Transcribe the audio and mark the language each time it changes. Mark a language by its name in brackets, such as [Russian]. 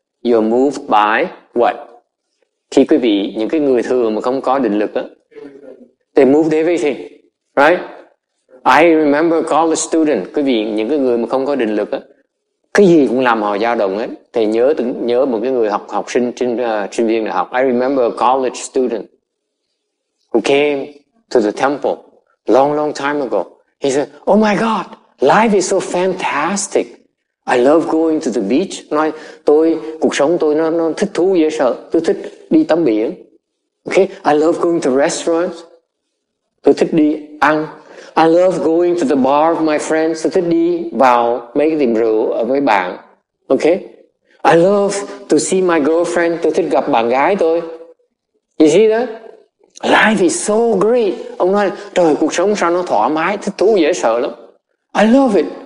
[English] You're moved by what? [Vietnamese] Khi quý vị, những cái người thường mà không có định lực á, [English] they moved everything, right? I remember college student, [Vietnamese] quý vị, những cái người mà không có định lực á, cái gì cũng làm họ dao động ấy. Thầy nhớ một cái người học sinh trên sinh viên đại học. [English] I remember a college student who came to the temple long long time ago. He said, "Oh my God, life is so fantastic. I love going to the beach." [Vietnamese] Nói tôi cuộc sống tôi nó thích thú dễ sợ. Tôi thích đi tắm biển. [English] Okay, I love going to restaurants. [Vietnamese] Tôi thích đi ăn. [English] I love going to the bar of my friends. [Vietnamese] Tôi thích đi vào mấy cái tiệm rượu ở với bạn. [English] Okay? I love to see my girlfriend. [Vietnamese] Tôi thích gặp bạn gái tôi. [English] You see that? Life is so great. [Vietnamese] Ông nói, trời, cuộc sống sao nó thoải mái, thích thú dễ sợ lắm. [English] I love it.